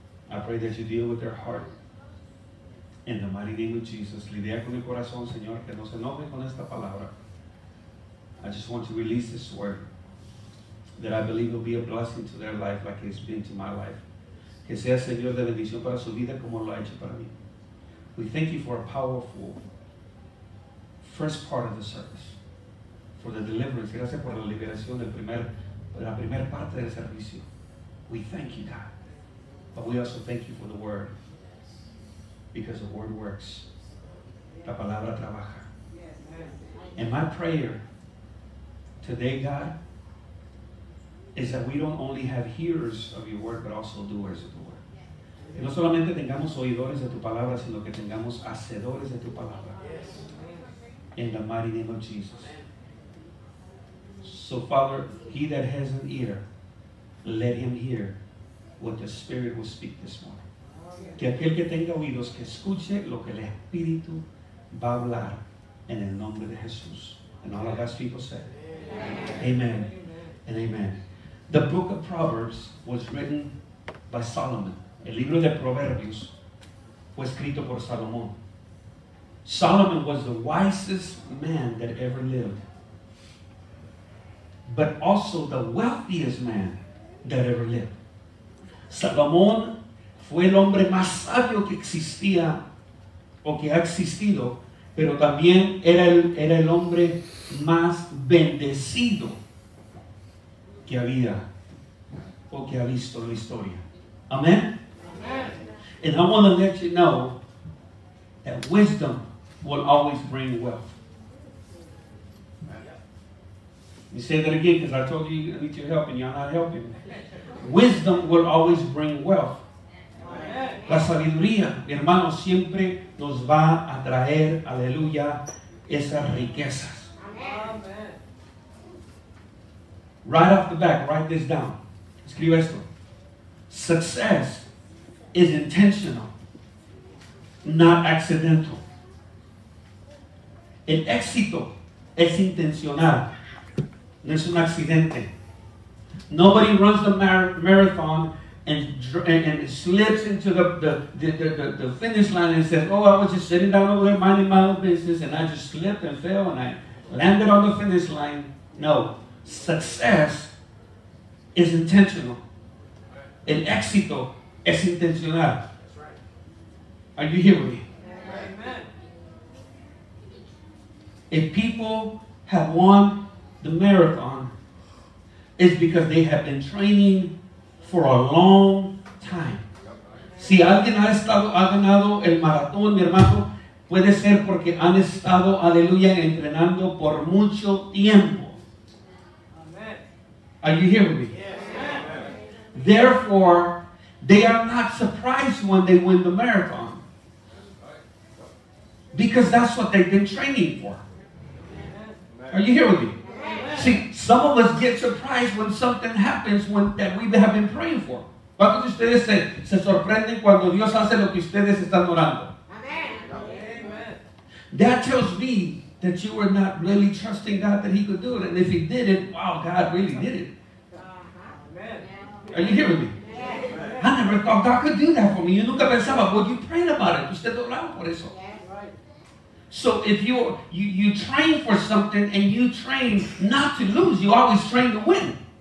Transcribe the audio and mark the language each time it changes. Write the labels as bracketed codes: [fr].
[en] I pray that you deal with their heart. In the mighty name of Jesus, [es] lidia con el corazón, Señor, que no se enoje con esta palabra. [en] I just want to release this word that I believe will be a blessing to their life like it's been to my life. [es] Que sea Señor de bendición para su vida como lo ha hecho para mí. [en] We thank you for a powerful first part of the service. For the deliverance. [es] Gracias por la liberación de la primera parte del servicio. [en] We thank you, God. But we also thank you for the word. Because the word works. [es] La palabra trabaja. [en] And my prayer today, God, is that we don't only have hearers of your word, but also doers of the word. [es] Que no solamente tengamos oidores de tu palabra, sino que tengamos hacedores de tu palabra. [en] In the mighty name of Jesus. So, Father, he that has an ear, let him hear what the Spirit will speak this morning. [es] Que aquel que tenga oídos, que escuche lo que el Espíritu va a hablar en el nombre de Jesús. [en] And all of God's people said, amen and amen. The book of Proverbs was written by Solomon. [es] El libro de Proverbios fue escrito por Salomón. [en] Solomon was the wisest man that ever lived. But also the wealthiest man that ever lived. [es] Salomón fue el hombre más sabio que existía o que ha existido, pero también era el hombre más bendecido que había o que ha visto en la historia. Amén. [en] And I want to let you know that wisdom will always bring wealth. You say that again, because I told you I need your help and you're not helping. Wisdom will always bring wealth. [es] La sabiduría, hermano, siempre nos va a traer, aleluya, esas riquezas. [en] Right off the bat, write this down. [es] Escribe esto. [en] Success is intentional, not accidental. [es] El éxito es intencional, no es un accidente. [en] Nobody runs the marathon and slips into the finish line and says, "Oh, I was just sitting down over there minding my own business and I just slipped and fell and I landed on the finish line." No. Success is intentional. [es] El éxito es intencional. [en] That's right. Are you here with me? Amen. If people have won the marathon, it's because they have been training for a long time. [es] Si alguien ha ganado el maratón, mi hermano, puede ser porque han estado, aleluya, entrenando por mucho tiempo. [en] Amen. Are you here with me? Yes. Therefore, they are not surprised when they win the marathon. Because that's what they've been training for. Amen. Are you here with me? Amen. See, some of us get surprised when something happens that we have been praying for. [es] ¿Cuántos de ustedes se sorprenden cuando Dios hace lo que ustedes están orando? [en] Amen. That tells me that you were not really trusting God that he could do it. And if he did it, wow, God really did it. Amen. Are you here with me? I never thought God could do that for me. You [es] nunca pensaba, [en] well, you prayed about it. [es] Usted oraba por eso. [en] So if you train for something and you train not to lose, you always train to win.